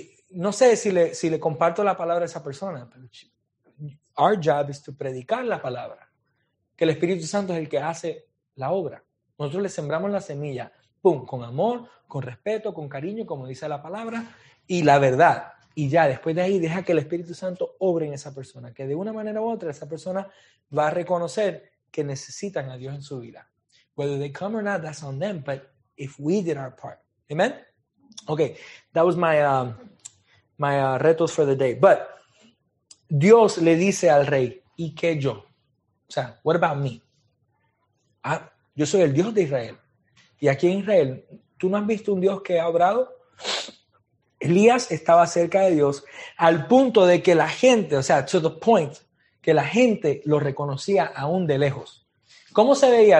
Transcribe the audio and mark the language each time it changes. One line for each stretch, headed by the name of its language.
Spanish: No sé si le comparto la palabra a esa persona, pero
English: our job is to
Spanish: predicar la palabra, que el Espíritu Santo es el que hace la obra. Nosotros le sembramos la semilla, pum, con amor, con respeto, con cariño, como dice la palabra, y la verdad. Y ya, después de ahí, deja que el Espíritu Santo obre en esa persona, que de una manera u otra, esa persona va a reconocer que necesitan a Dios en su vida.
English: Whether they come or not, that's on them, but if we did our part. Amen? Okay, that was my retos for the day.
Spanish: But Dios le dice al rey, ¿y qué yo? O sea,
English: what about me?
Spanish: Ah, yo soy el Dios de Israel. Y aquí en Israel, ¿tú no has visto un Dios que ha obrado? Elías estaba cerca de Dios al punto de que la gente, o sea,
English: to the point,
Spanish: que la gente lo reconocía aún de lejos. ¿Cómo se veía?